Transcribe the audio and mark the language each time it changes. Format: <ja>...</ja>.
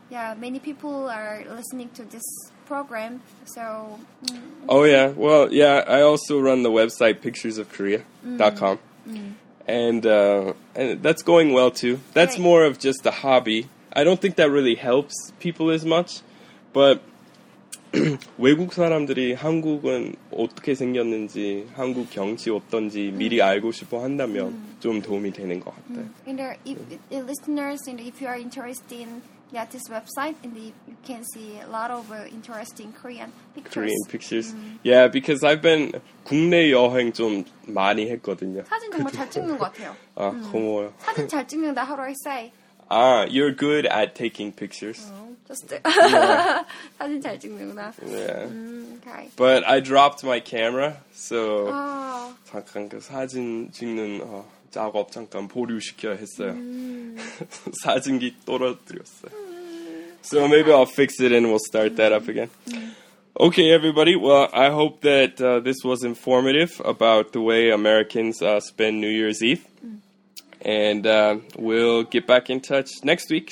<en>Yeah, many people are listening to this program, so... Oh, yeah. Well, yeah, I also run the website picturesofkorea.com. Mm. And that's going well, too. That's right. More of just a hobby. I don't think that really helps people as much, but...</en> <ko>외국 사람들이 한국은 어떻게 생겼는지, 한국 경치 어떤지 미리 알고 싶어 한다면 좀 도움이 되는 것 같아요.</ko> <en>And if listeners, and if you are interested in this website, and you can see a lot of interesting Korean pictures. Korean pictures. Yeah, because I've been</en> <ko>국내 여행 좀 많이 했거든요. 사진 정말 잘 찍는 것 같아요. 아, 고마워요. 사진 잘 찍는다,</ko> <en>how do I say? Ah, you're good at taking pictures.</en> <ko>Just 사진 잘 찍는구나.</ko> <en>Yeah. Okay. But I dropped my camera, so</en> <ko>잠깐 그 사진 찍는 작업 잠깐 보류시켜 했어요. 사진기 떨어뜨렸어요.</ko> <en>So maybe I'll fix it and we'll start that up again. Okay, everybody. Well, I hope that this was informative about the way Americans spend New Year's Eve. And we'll get back in touch next week.</en>